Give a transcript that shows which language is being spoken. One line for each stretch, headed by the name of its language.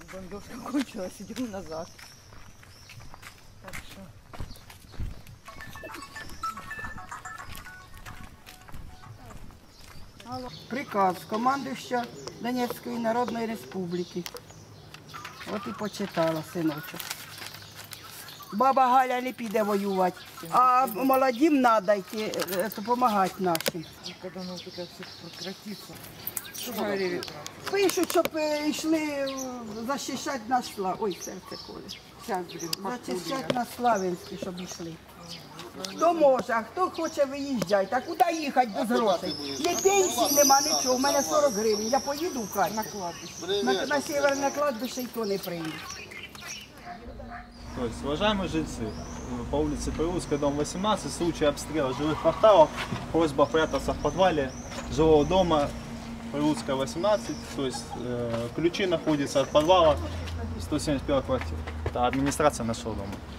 Russian: Бомбежка кончилась, идем назад. Хорошо. Алло. Приказ командующего Донецкой Народной Республики. Вот и почитала, сыночек.
Ukrainian: Баба Галя не піде воювати, а молодим надо йти допомагати нашим. Коли воно таке все прекратиться? Пишуть, щоб йшли захищати на Славу. Ой, серце коле. Зачищати на Славянський, щоб йшли. Хто може, а хто хоче виїжджати, а куди їхати без роти? Є пенсії, нема нічого, у мене 40 гривень, я поїду в Харків.
Russian: На кладбище.
Ukrainian: На Северне кладбище і то не прийде.
Russian: То есть, уважаемые жильцы, по улице Прилуцкая, дом 18, случай обстрела жилых кварталов, просьба прятаться в подвале жилого дома Прилуцкая 18, то есть ключи находятся от подвала 171 квартир. Это администрация нашего дома.